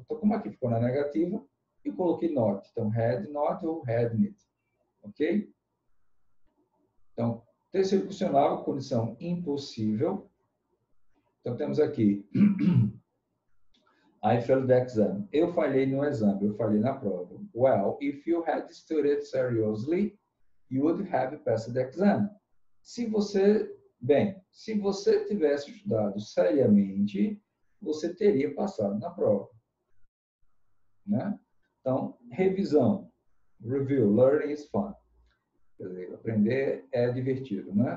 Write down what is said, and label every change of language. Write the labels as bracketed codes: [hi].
[pt] Então, como aqui ficou na negativa, eu coloquei not. Então, had not ou hadn't. Ok? Então, terceiro condicional, condição impossível. Então, temos aqui. [en] I failed the exam. [pt] Eu falhei no exame, eu falhei na prova. [en] Well, if you had studied seriously, you would have passed the exam. [pt] Se você tivesse estudado seriamente, você teria passado na prova. Né? Então, revisão. [en] Review. Learning is fun. [pt] Quer dizer, aprender é divertido, né?